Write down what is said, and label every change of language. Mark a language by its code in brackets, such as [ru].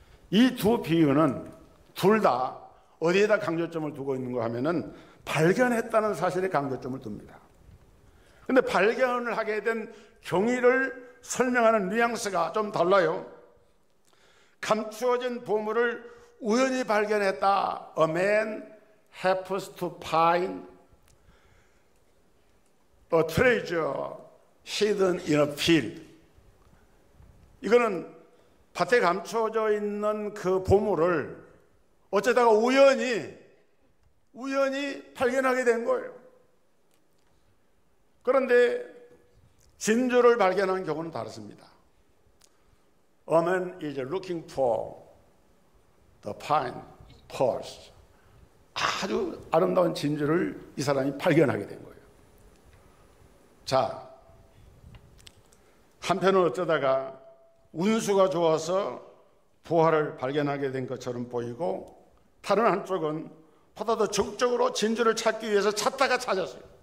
[ko] 이 두 비유는 둘 다 어디에다 강조점을 두고 있는가 하면은 발견했다는 사실에 강조점을 둡니다. 그런데 발견을 하게 된 경위를 설명하는 뉘앙스가 좀 달라요. 감추어진 보물을 우연히 발견했다. [en] A man happens to find a treasure hidden in a field. [ko] 이거는 밭에 감추어져 있는 그 보물을 어쩌다가 우연히 발견하게 된 거예요. 그런데 진주를 발견한 경우는 다릅니다. [en] A man is looking for the fine pearls. [ko] 아주 아름다운 진주를 이 사람이 발견하게 된 거예요. 자, 한편은 어쩌다가 운수가 좋아서 보화를 발견하게 된 것처럼 보이고, 다른 한쪽은 보다 더 적극적으로 진주를 찾기 위해서 찾다가 찾았어요.